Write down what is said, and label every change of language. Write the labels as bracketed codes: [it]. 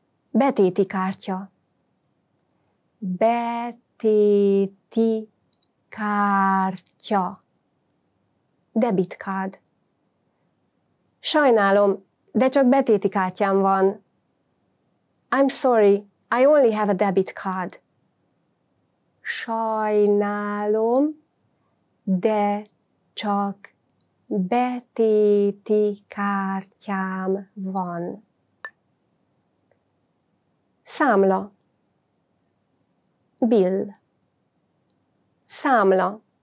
[hu] Betéti kártya. Betéti téti kártya. [en] Debit card. [hu] Sajnálom, de csak betéti kártyám van. [en] I'm sorry, I only have a debit card. [hu] Sajnálom, de csak betéti kártyám van. Számla. Bill. Számla.